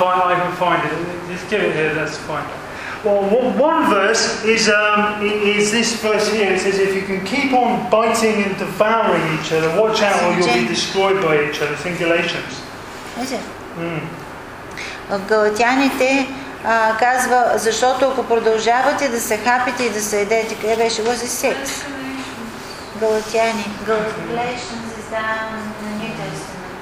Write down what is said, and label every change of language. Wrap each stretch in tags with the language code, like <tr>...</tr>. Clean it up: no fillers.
<en>I can find it. Just give it here, that's fine. Well, one verse is this verse here. It says, if you can keep on biting and devouring each other, watch out or you'll be destroyed by each other. It's in Galatians. Is it?</en> <bg>В Галатяните казва, защото ако продължавате да се хапите и да се едете, къде беше?</bg> <en>Was it six? Галатяни. Galatians is down in the New Testament.</en>